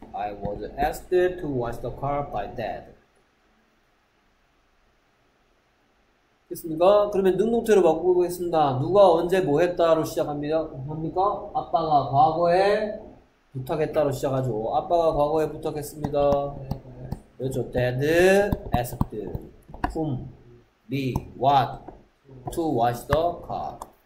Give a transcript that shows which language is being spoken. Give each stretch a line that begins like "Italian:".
English: I was asked to wash the car by dad.
Korean: 됐습니까? 그러면 능동태로 바꾸겠습니다. 누가 언제 뭐 했다로 시작합니다. 합니까? 아빠가 과거에 부탁했다로 시작하죠. 아빠가 과거에 부탁했습니다. 그렇죠.
English: Dad asked whom, me, what to wash the car.